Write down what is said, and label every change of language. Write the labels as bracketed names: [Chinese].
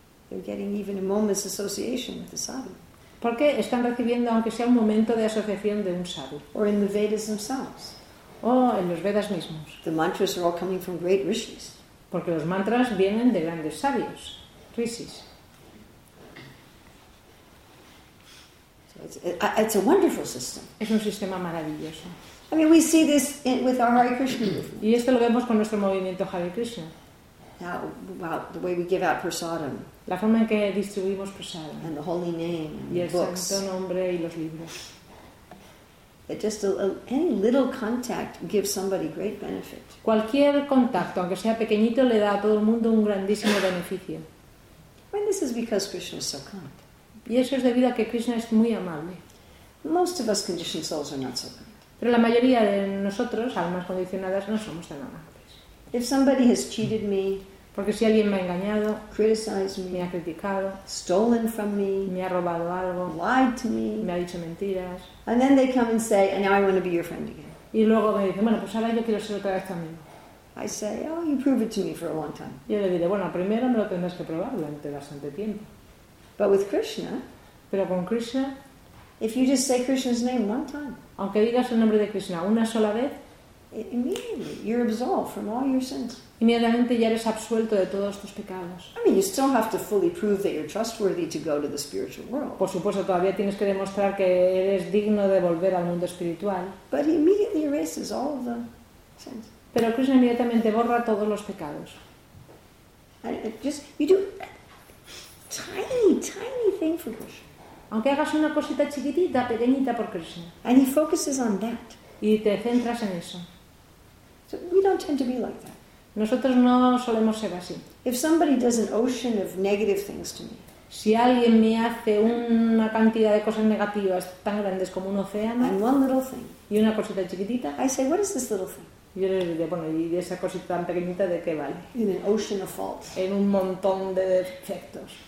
[English] They're getting even a moment's association with the sadhu. [Spanish] Porque están recibiendo aunque sea un momento de asociación de un sadhu. [English] Or in the Vedas themselves. [Spanish] O en los Vedas mismos. [English] The mantras are all coming from great rishis. [Spanish] Porque los mantras vienen de grandes sabios, rishis. [English] So it's a wonderful system. [Spanish] Es un sistema maravilloso. [English] I mean, we see this with our Hare Krishna movement. [Spanish] Y esto lo vemos con nuestro movimiento Hare Krishna. [English] Now, about the way we give out prasadam. [Spanish] La forma en que distribuimos prasadam. [English] And the holy name and [Spanish] y [English] the books. [Spanish] Y el santo nombre y los libros. [English] That just any little contact gives somebody great benefit. [Spanish] Cualquier contacto, aunque sea pequeñito, le da a todo el mundo un grandísimo beneficio. [English] And this is because Krishna is so kind. [Spanish] Y eso es debido a que Krishna es muy amable. [English] Most of us conditioned souls are not so kind. [Spanish] Pero la mayoría de nosotros, almas condicionadas, no somos tan amables. [English] If somebody has cheated me, [Spanish] porque si alguien me ha engañado, [English] criticized me, [Spanish] me ha criticado, [English] stolen from me, [Spanish] me ha robado algo, [English] lied to me, [Spanish] me ha dicho mentiras, [English] and then they come and say, and now I want to be your friend again. [Spanish] Y luego me dicen, bueno, pues ahora yo quiero ser otra vez tu amigo. [English] I say, oh, you prove it to me for a long time. [Spanish] Yo le diré, bueno, primero me lo tendrás que probar durante bastante tiempo. [English] But with Krishna, [Spanish] pero con Krishna, [English] if you just say Krishna's name one time, [Spanish] aunque digas el nombre de Krishna una sola vez, [English] immediately you're absolved from all your sins. [Spanish] Inmediatamente ya eres absuelto de todos tus pecados. [English] I mean, you still have to fully prove that you're trustworthy to go to the spiritual world. [Spanish] Por supuesto, todavía tienes que demostrar que eres digno de volver al mundo espiritual. [English] But he immediately erases all of the sins. [Spanish] Pero Krishna inmediatamente borra todos los pecados. [English] You do a tiny, tiny thing for Krishna. [Spanish] Aunque hagas una cosita chiquitita, pequeñita por Krishna. [English] And he focuses on that. [Spanish] Y te centras en eso. [English] So we don't tend to be like that. [Spanish] Nosotros no solemos ser así. [English] If somebody does an ocean of negative things to me, [Spanish] si alguien me hace una cantidad de cosas negativas tan grandes como un océano, [English] and one little thing, [Spanish] y una cosita chiquitita, [English] I say, what is this little thing? [Spanish] Yo le diría, bueno, ¿y esa cosita tan pequeñita de qué vale? [English] In an ocean of faults. [Spanish] En un montón de defectos.